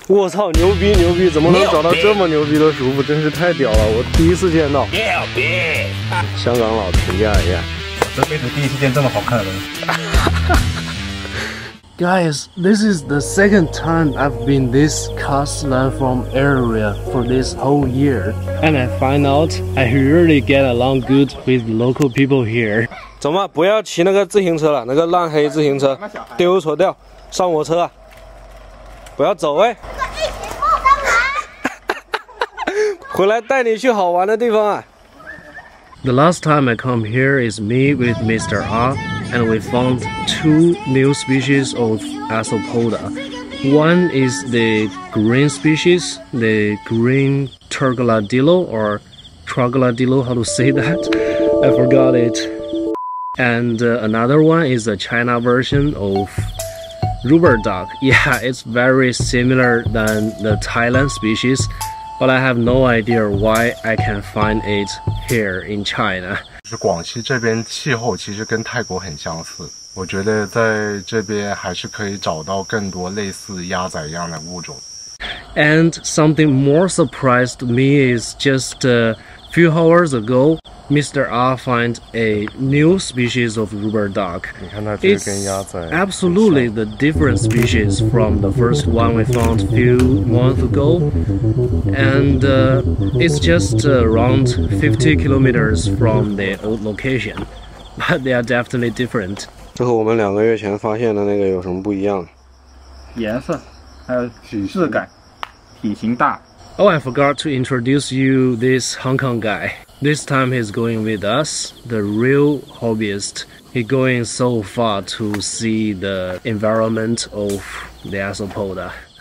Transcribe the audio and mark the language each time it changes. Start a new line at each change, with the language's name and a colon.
Chinese: 我操，牛逼牛逼，怎么能找到这么牛逼的师傅，真是太屌了，我第一次见到。牛逼，香港佬评价一下，这辈子第一次见这么好看的东西。
English: Guys, this is the second time I've been this coastline from area for this whole year. And I find out I really get along good with local people here.
Chinese: 走嘛，不要骑那个自行车了，那个烂黑自行车，丢错掉，上我车啊。不要走哎。这个疫情后干嘛？回来带你去好玩的地方啊。
English: The last time I come here is me with Mr. R. And we found two new species of Isopoda. One is the green species, the green Troglodillo or Troglodillo, how to say that? I forgot it. And another one is a China version of rubber duck. Yeah, it's very similar than the Thailand species, but I have no idea why I can find it here in China.
Chinese: 就是广西这边气候其实跟泰国很相似，我觉得在这边还是可以找到更多类似鸭仔一样的物种。
English: And something more surprised me is just a few hours ago, Mr. R find a new species of rubber duck.
Chinese: 你看它这个跟鸭仔。
English: It's absolutely the different species from the first one we found a few months ago. And it's just around 50 kilometers from the old location. But they are definitely different.
Chinese: 这和我们两个月前发现的那个有什么不一样？颜色，还有体质感。体型大。
English: Oh, I forgot to introduce you this Hong Kong guy. This time he's going with us, the real hobbyist. He's going so far to see the environment of the Isopoda.